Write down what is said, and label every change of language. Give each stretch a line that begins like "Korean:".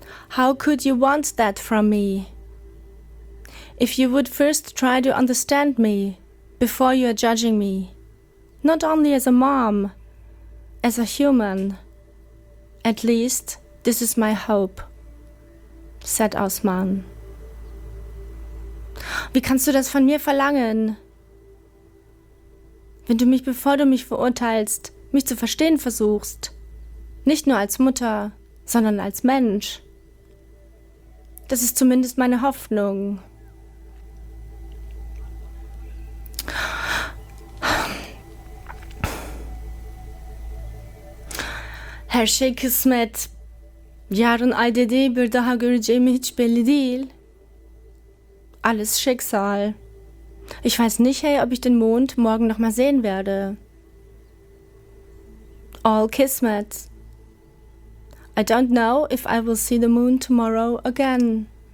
English: How could you want that from me? If you would first try to understand me before you are judging me. Not only as a mom, as a human. At least, this is my hope, said Osman.
German: Wie kannst du das von mir verlangen? Wenn du mich, bevor du mich verurteilst, mich zu verstehen versuchst, nicht nur als Mutter, sondern als Mensch. Das ist zumindest meine Hoffnung.
Turkish: Her şey kısmet. Yarın ay dediği bir daha göreceğimi hiç belli değil.
German: Alles Schicksal. Ich weiß nicht, hey, ob ich den Mond morgen noch mal sehen werde.
English: All Kismet. I don't know if I will see the moon tomorrow again.